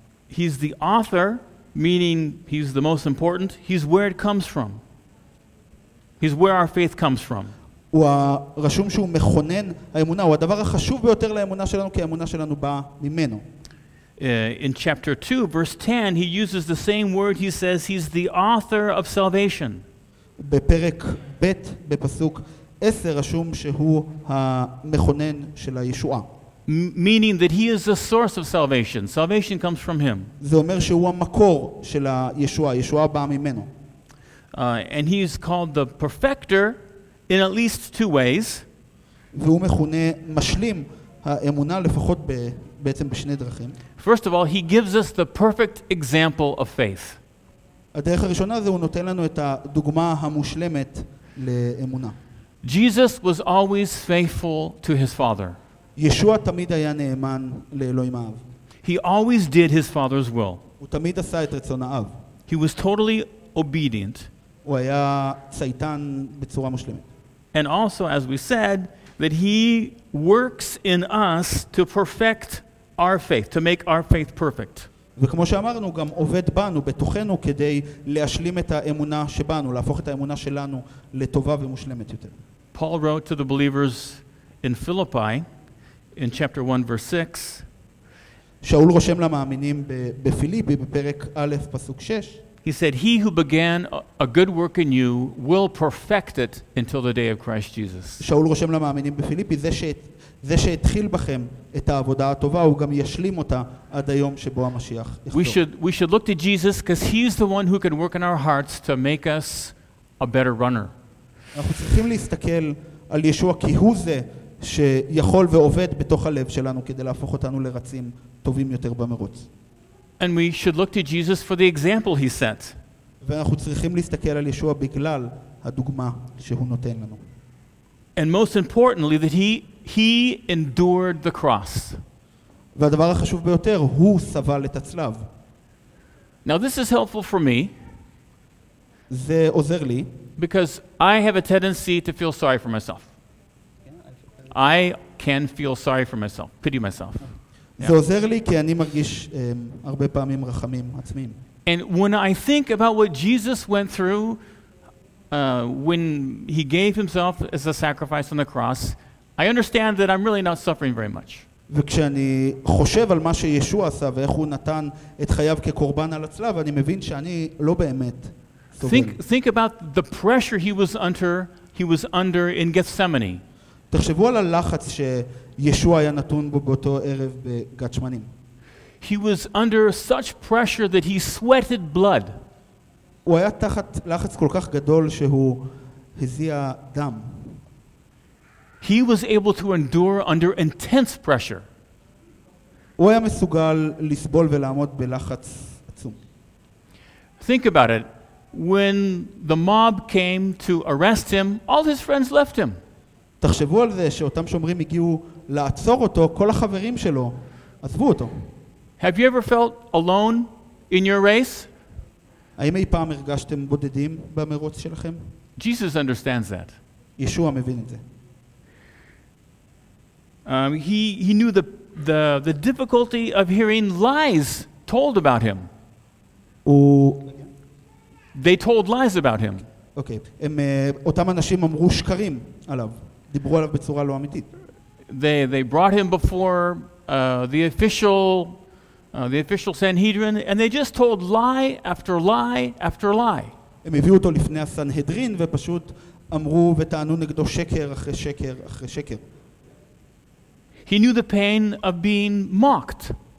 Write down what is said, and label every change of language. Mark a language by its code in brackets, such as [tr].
[en] He's the author, meaning he's the most important. He's where it comes from. He's where our faith comes from. [he] הוא הרשום שהוא מכונן האמונה, הוא הדבר החשוב ביותר לאמונה שלנו, כי האמונה שלנו באה ממנו. [en] In chapter 2 verse 10 he uses the same word. He says he's the author of salvation. [he] בפרק ב' בפסוק 10 רשום שהוא המכונן של הישועה. [en] Meaning that he is the source of salvation. Salvation comes from him. [he] זה אומר שהוא המקור של הישועה, ישועה באה ממנו. [en] And he is called the perfecter in at least two ways. [he] והוא מכונה משלים האמונה לפחות בעצם בשני דרכים. [en] First of all, he gives us the perfect example of faith. [he] הדרך הראשונה זה הוא נותן לנו את הדוגמה המושלמת לאמונה. [en] Jesus was always faithful to his father. [he] ישוע תמיד היה נאמן לאלוהים האב. [en] He always did his father's will. [he] הוא תמיד עשה את רצון האב. [en] He was totally obedient. [he] הוא היה צייתן בצורה מושלמת. [en] And also, as we said, that he works in us to perfect our faith, to make our faith perfect. [he] וכמו שאמרנו, גם עובד בנו, בתוכנו, כדי להשלים את האמונה שבנו, להפוך את האמונה שלנו לטובה ומושלמת יותר. [en] Paul wrote to the believers in Philippi, in chapter 1, verse 6. [he] שאול רושם למאמינים בפיליפי, בפרק א', פסוק 6. [en] He said, he who began a good work in you will perfect it until the day of Christ Jesus. [he] שאול רושם למאמינים בפיליפי, זה שהתחיל בכם את העבודה הטובה הוא גם ישלים אותה עד היום שבו המשיח יחזור. [en] We should look to Jesus because he's the one who can work in our hearts to make us a better runner. [he] אנחנו צריכים להסתכל על ישוע, כי הוא זה שיכול ועובד בתוך הלב שלנו כדי להפוך אותנו לרצים טובים יותר במרוץ. [en] And we should look to Jesus for the example he set. [he] ואנחנו צריכים להסתכל על ישוע בגלל הדוגמה שהוא נותן לנו. [en] And most importantly that he endured the cross. [he] והדבר החשוב ביותר, הוא סבל את הצלב. [en] Now this is helpful for me. [he] זה עוזר לי. [en] Because I have a tendency to feel sorry for myself. I can feel sorry for myself, pity myself. [he] זה עוזר לי כי אני מרגיש הרבה פעמים רחמים עצמיים. [en] And when I think about what Jesus went through when he gave himself as a sacrifice on the cross, I understand that I'm really not suffering very much. [he] וכשאני חושב על מה שישוע עשה ואיך הוא נתן את חייו כקורבן על הצלב, אני מבין שאני לא באמת סובל. [en] Think about the pressure he was under in Gethsemane. [he] תחשבו על הלחץ שישוע היה נתון בו באותו ערב בגת שמנים. [en] He was under such pressure that he sweated blood. [he] הוא היה תחת לחץ כל כך גדול שהוא הזיע דם. [en] He was able to endure under intense pressure. [he] הוא היה מסוגל לסבול ולעמוד בלחץ עצום. [en] Think about it. When the mob came to arrest him, all his friends left him. [he] תחשבו על זה שאותם שומרים הגיעו לעצור אותו, כל החברים שלו עזבו אותו. [en] Have you ever felt alone in your race? [he] האם אי פעם הרגשתם בודדים במרוץ שלכם? [en] Jesus understands that. [he] ישוע מבין את זה. [en] He knew the difficulty of hearing lies told about him. They told lies about him. Okay. [he] אותם אנשים אמרו שקרים עליו. דיברו עליו בצורה לא אמיתית. [en] They brought him before the official Sanhedrin and they just told lie after lie after lie. [he] הם הביאו אותו לפני הסנהדרין ופשוט אמרו וטענו נגדו שקר אחרי שקר אחרי שקר. [en] He knew the pain of being mocked.